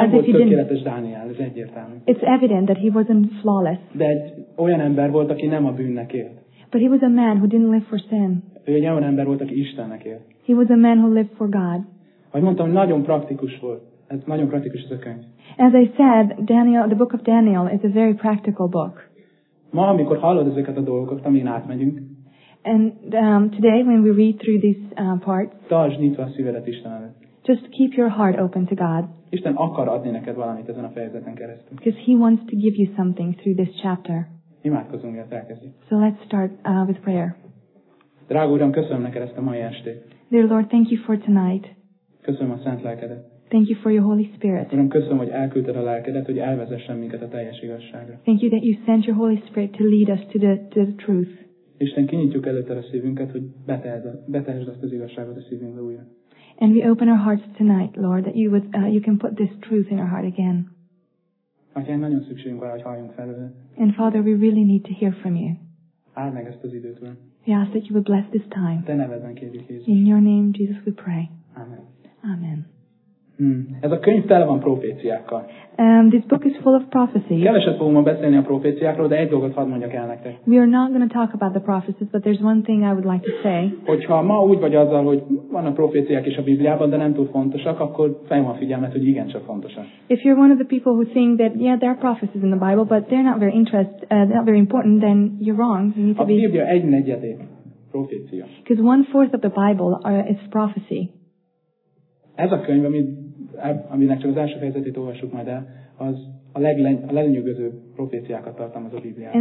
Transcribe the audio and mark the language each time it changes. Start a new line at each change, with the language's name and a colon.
Hungarian: Nem volt tökéletes Dániel, ez egyértelmű.
English: It's evident that he wasn't flawless.
Hungarian: De egy olyan ember volt, aki nem a bűnnek élt.
English: But he was a man who didn't live for sin.
Hungarian: Ő egy olyan ember volt, aki Istennek élt.
English: He was a man who lived for God.
Hungarian: Ahogy mondtam, nagyon praktikus volt. Ez nagyon praktikus ez a könyv.
English: As I said, Daniel, the book of Daniel is a very practical book.
Hungarian: Ma, amikor hallod ezeket a dolgokat, amin átmegyünk.
English: And today, when we read through these parts.
Hungarian: Tartsd nyitva a szívedet Istennel.
English: Just keep your heart open to God.
Hungarian: Isten akar adni neked valamit ezen a fejezeten keresztül.
English: Because he wants to give you something through this chapter.
Hungarian: Imádkozunk, miatt elkezdjük.
English: So let's start with prayer.
Hungarian: Drága Uram, köszönöm neked ezt a mai estét.
English: Dear Lord, thank you for tonight.
Hungarian: Köszönöm a szent lelkedet.
English: Thank you for your Holy Spirit.
Hungarian: Uram, köszönöm, hogy elküldted a lelkedet, hogy elvezessen minket a teljes igazságra.
English: Thank you that you sent your Holy Spirit to lead us to the truth.
Hungarian: Isten, kinyitjuk előtted a szívünket, hogy betehesd azt az igazságot a szívünkbe újra.
English: And we open our hearts tonight, Lord, that you would you can put this truth in our heart again.
Hungarian: Atyán, nagyon szükségünk van, hogy halljunk felőle.
English: And Father, we really need to hear from you.
Hungarian: Áld meg ezt az időt, Uram.
English: We ask that you would bless this time.
Hungarian: Te nevedben kérjük, Jézus.
English: In your name, Jesus, we pray.
Hungarian: Amen.
English: Amen.
Hungarian: Ez a könyv tele van proféciákkal.
English: This book is full of prophecies.
Hungarian: Keveset fogunk ma beszélni a proféciákról, de egy dolgot hadd mondjak el nektek.
English: We are not going to talk about the prophecies, but there's one thing I would like to say.
Hungarian: Hogyha ma úgy vagy azzal, hogy vannak proféciák is a Bibliában, de nem túl fontosak, akkor fejlem a figyelmet, hogy igen csak fontosak.
English: If you're one of the people who think that yeah, there are prophecies in the Bible, but they're not very important, then you're wrong. You need to be.
Hungarian: A Biblia egy negyedét profécia.
English: Because 1/4 of the Bible is prophecy.
Hungarian: Ez a könyv, aminek csak az első fejezetét olvassuk majd el, az a lenyűgözőbb proféciákat tartalmaz a Bibliában.